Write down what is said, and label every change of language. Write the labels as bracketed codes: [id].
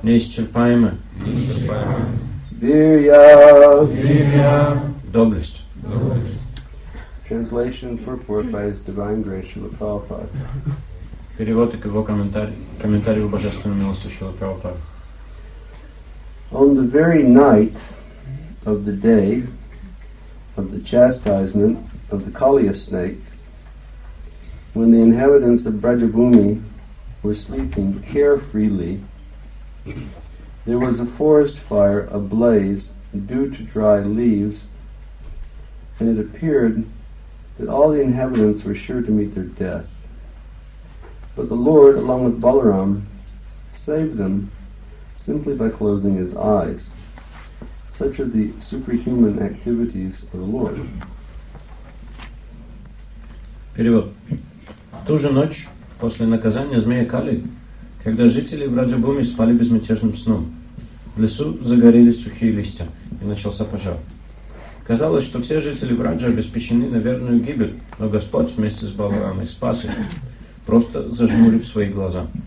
[ru] Неисчерпаемо. Неисчерпаемо. Вирья. Вирья. Доблесть. Доблесть. [en] Translation for purport by His Divine Grace Srila Prabhupada. [ru] Перевод и его комментарий в Божественную милость Шрилы Прабхупады. [en] On the very night of the day of the chastisement of the Kaliya snake, when the inhabitants of Brajabhumi were sleeping carefreely, there was a forest fire ablaze due to dry leaves, and it appeared that all the inhabitants were sure to meet their death. But the Lord, along with Balaram, saved them simply by closing his eyes. Such are the superhuman activities of the Lord. [ru] Перевод. В ту же ночь, после наказания змея Кали, когда жители Враджа-Буми спали безмятежным сном, в лесу загорелись сухие листья, и начался пожар. Казалось, что все жители Враджа обеспечены на верную гибель, но Господь вместе с Баларамой спас их, просто зажмурив свои глаза.